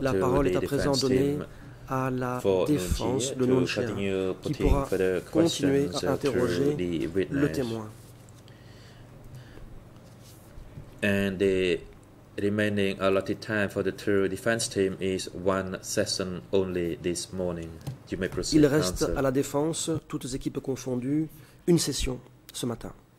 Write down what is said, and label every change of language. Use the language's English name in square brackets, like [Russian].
[French] la parole est à présent donnée à la défense de Nunchia qui pourra continuer à interroger le témoin. [English] And the remaining allotted time for the true defense team is one session only this morning. You may proceed. [French] Il reste à la défense, toutes équipes confondues, une session ce matin.